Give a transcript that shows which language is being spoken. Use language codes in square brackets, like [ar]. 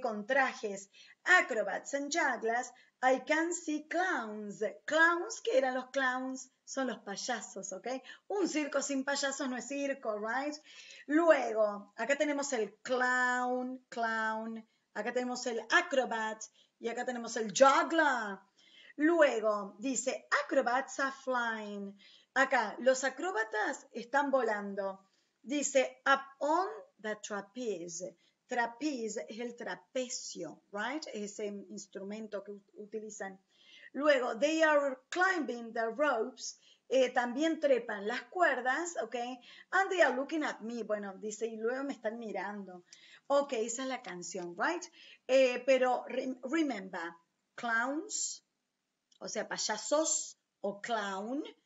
[en] Con trajes, acrobats and jugglers, I can see clowns, clowns [es] que eran los clowns, son los payasos, ¿ok? Un circo sin payasos no es circo, right? Luego, acá tenemos el clown, acá tenemos el acrobat y acá tenemos el juggler. [en] Luego, dice, acrobats are flying. [es] Acá, los acróbatas están volando. [en] Dice, up on the trapeze. Trapeze [es] es el trapecio, [en] right? [es] Es ese instrumento que utilizan. [en] Luego, they are climbing the ropes. [es] También trepan las cuerdas, ¿ok? [en] And they are looking at me. [es] Bueno, dice, y luego me están mirando. Ok, esa es la canción, right? Pero, remember, clowns, o sea, payasos o clown.